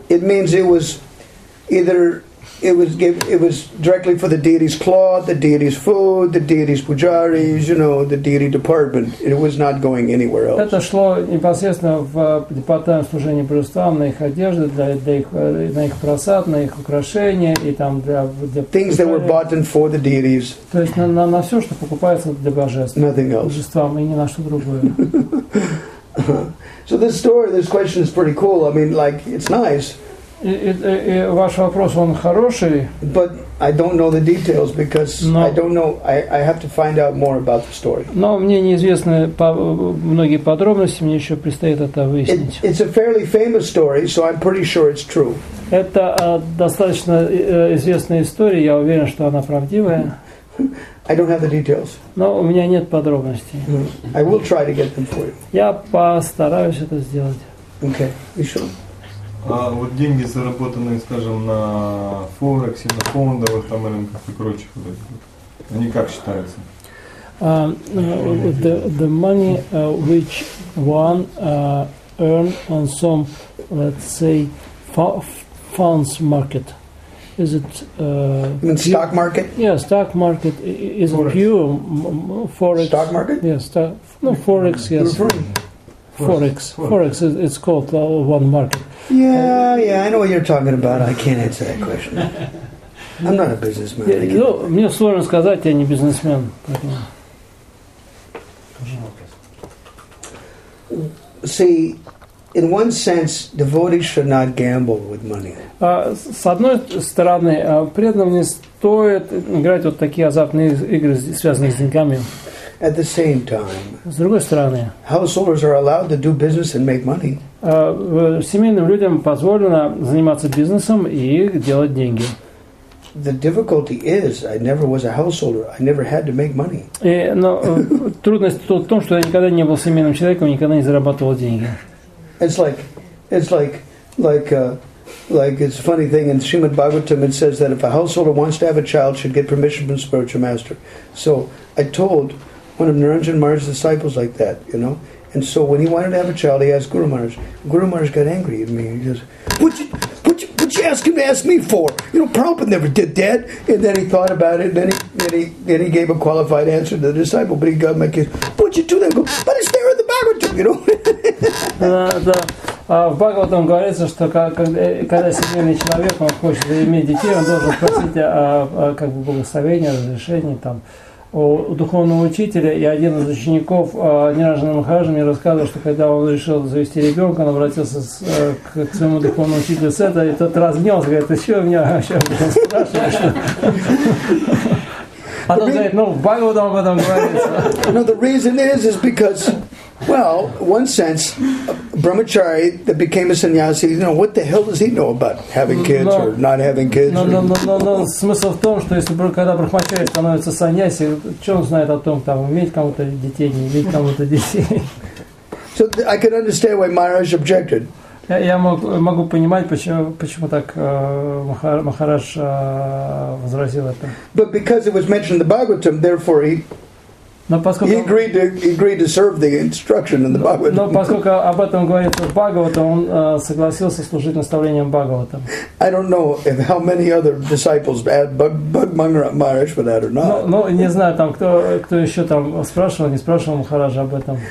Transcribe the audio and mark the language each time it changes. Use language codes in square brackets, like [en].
[en] It means it was either it was directly for the deity's cloth, the deity's food, the deity's pujaris, you know, the deity department. It was not going anywhere else. [ru] Это шло непосредственно в департамент служения божествам, на их одежды, на их просад, на их украшения и там для [en] things that were bought and for the deities. [ru] То есть на все, что покупается для божеств. [en] Nothing else. [ru] Божествам и ни на что другое. [en] So this story, this question is pretty cool. I mean, like, it's nice. [ru] И ваш вопрос, он хороший. [en] But I don't know the details because I don't know. I have to find out more about the story. [ru] Но мне неизвестны многие подробности. Мне еще предстоит это выяснить. [en] It's a fairly famous story, so I'm pretty sure it's true. [ru] Это достаточно известная история. Я уверен, что она правдивая. [en] I don't have the details. [ru] Но у меня нет подробностей. [en] I will try to get them for you. [ru] Я постараюсь это сделать. [en] Okay. [ru] Еще. А вот деньги, заработанные, скажем, на Форексе, на фондовых там рынках и прочих, они как считаются? [en] The money which one earn on some, let's say, funds market, is it... stock market? Yeah, stock market. Is it pure Forex? Stock market? Yes, Forex, yes. Forex, it's called one market. Yeah, I know what you're talking about. I can't answer that question. I'm not a businessman. [ru] Ну, мне сложно сказать, я не бизнесмен. [en] See, in one sense, devotees should not gamble with money. [ru] С одной стороны, преданным не стоит играть вот такие азартные игры, связанные с деньгами. [en] At the same time, [ru] с другой стороны, [en] householders are allowed to do business and make money. [ru] Семейным людям позволено заниматься бизнесом и делать деньги. [en] The difficulty is, I never was a householder. I never had to make money. [ru] Трудность в том, что я никогда не был семейным человеком, никогда не зарабатывал деньги. [en] It's like it's a funny thing in Srimad Bhagavatam. It says that if a householder wants to have a child, should get permission from the spiritual master. So I told one of Niranjan Maharaj's disciples like that, you know. And so when he wanted to have a child, he asked Guru Maharaj. Guru Maharaj got angry at me. He goes, what you ask him to ask me for? You know, Prabhupada never did that. And then he thought about it, and then he gave a qualified answer to the disciple. But he got my case. What'd you do that? Go, but it's there in the Bhagavatam, you know. [ru] В Бхагаватам говорится, что когда семейный человек он хочет иметь детей, он должен просить как бы благословения, разрешения там у духовного учителя. И один из учеников Ниранджана Махараджа мне рассказывал, что когда он решил завести ребенка, он обратился к своему духовному учителю Сета, и тот разнес, говорит, ты что меня вообще спрашиваешь? А тот говорит, ну, в Бхагаватам об этом говорится. [en] No, the reason is because, well, one sense, brahmachari that became a sannyasi, you know, what the hell does he know about having kids or not having kids? [ru] No, смысл в том, что если когда брахмачари становится сannyasi, что он знает о том, там, иметь кому-то детей, не иметь кому-то детей? [en] So I could understand why Maharaj objected. [ru] Я могу понимать, почему так Махарадж возразил это. [en] But because it was mentioned in the Bhagavatam, therefore he agreed to serve the instruction in the Bhagavatam. [ru] Но поскольку об этом говорится в Бхагаватам, он согласился служить наставлением Бхагаватам. [en] I don't know if how many other disciples had Bhagmangara Maharaj for that or not. [ru] Но не знаю, там кто еще там спрашивал, не спрашивал Махараджа об этом.